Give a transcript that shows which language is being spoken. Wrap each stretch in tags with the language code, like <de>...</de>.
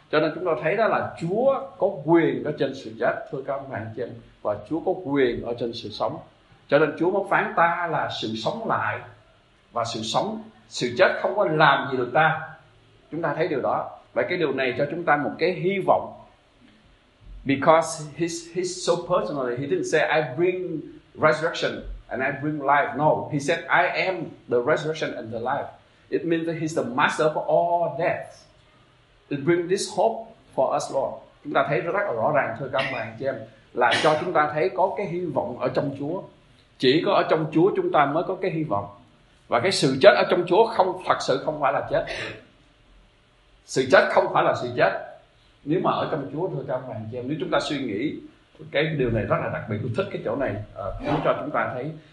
<vi>Cho nên chúng ta thấy đó là Chúa có quyền ở trên sự chết. Thưa các bạn chị em, và Chúa có quyền ở trên sự sống, cho nên Chúa mới phán ta là sự sống lại và sự sống, sự chết không có làm gì được ta. Chúng ta thấy điều đó. Vậy cái điều này cho chúng ta một cái hy vọng.</vi> <en>Because he's so personal, he didn't say I bring resurrection and I bring life. No, he said I am the resurrection and the life. It means that he's the master of all death. It bring this hope for us, Lord.</en> <vi>Chúng ta thấy rất là rõ ràng, thưa các bạn chị em, là cho chúng ta thấy có cái hy vọng ở trong Chúa. Chỉ có ở trong Chúa chúng ta mới có cái hy vọng. Và cái sự chết ở trong Chúa không, thật sự không phải là chết. Sự chết không phải là sự chết. Nếu mà ở trong Chúa, thưa các bạn chị em, nếu chúng ta suy nghĩ cái điều này rất là đặc biệt, tôi thích cái chỗ này, muốn cho chúng ta thấy.</vi>